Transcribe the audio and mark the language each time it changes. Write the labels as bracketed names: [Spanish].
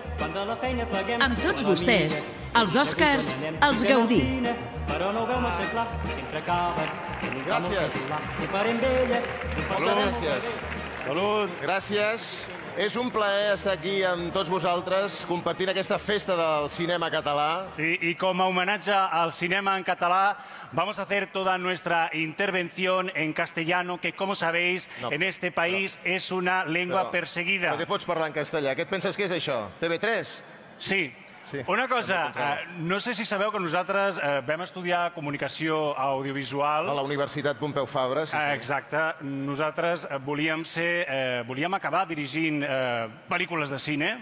[Catalan] Amb tots vostès, els Oscars, els Gaudí. Gràcies. Salut, gràcies. Salut. Gràcies. És un plaer estar aquí amb tots vosaltres, compartint aquesta festa del cinema català. Sí, i com a homenatge al cinema en català, [Spanish] vamos a hacer toda nuestra intervención en castellano, que, como sabéis, no, en este país no es una lengua però perseguida. [Catalan] Però què fots parlar en castellà? Què et penses que és això? TV3? Sí. Sí. Una cosa, no sé si sabeu que nosaltres vam estudiar comunicació audiovisual a la Universitat Pompeu Fabra. Sí, exacte. Nosaltres volíem ser, volíem acabar dirigint pel·lícules de cine.